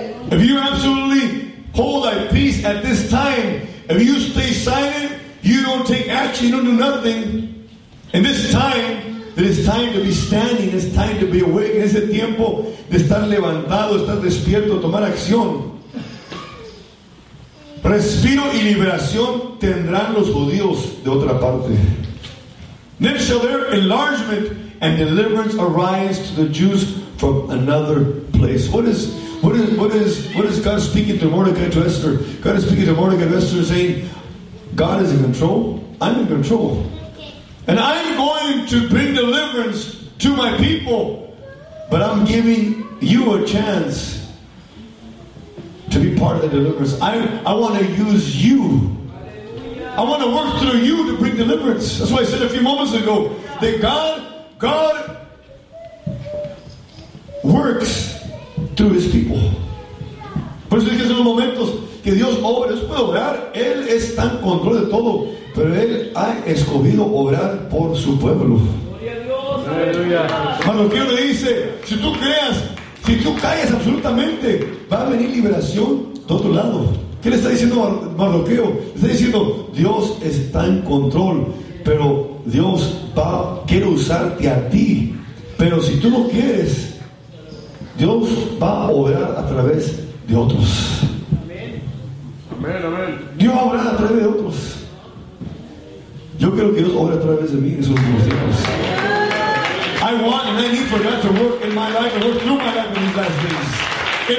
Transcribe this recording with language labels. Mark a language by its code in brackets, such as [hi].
[en] If you absolutely hold thy peace at this time, if you stay silent, you don't take action, you don't do nothing. And this time, it is time to be standing, it's time to be awake. [es] En ese tiempo de estar levantado, estar despierto, tomar acción. Respiro y liberación tendrán los judíos de otra parte. [en] Then shall their enlargement and deliverance arise to the Jews from another place. What is God speaking to Mordecai to Esther? God is speaking to Mordecai to Esther saying, God is in control. I'm in control. And I'm going to bring deliverance to my people. But I'm giving you a chance to be part of the deliverance. I want to use you. I want to work through you to bring deliverance. That's why I said a few moments ago that God works through his people. [es] Por eso es que son los momentos que Dios obra. Dios puede obrar. Él está en control de todo. Pero Él ha escogido obrar por su pueblo. Gloria a Dios. Mardoqueo le dice, si tú creas, si tú callas absolutamente, va a venir liberación de otro lado. ¿Qué le está diciendo Mardoqueo? Le está diciendo, Dios está en control. Pero Dios quiere usarte a ti. Pero si tú no quieres, Dios va a obrar a través de otros. Amén, amén. Dios obra a través de otros. Yo creo que Dios obra a través de mí en esos últimos tiempos. [en] I want and I need for God to work in my life and work through my life in these last days.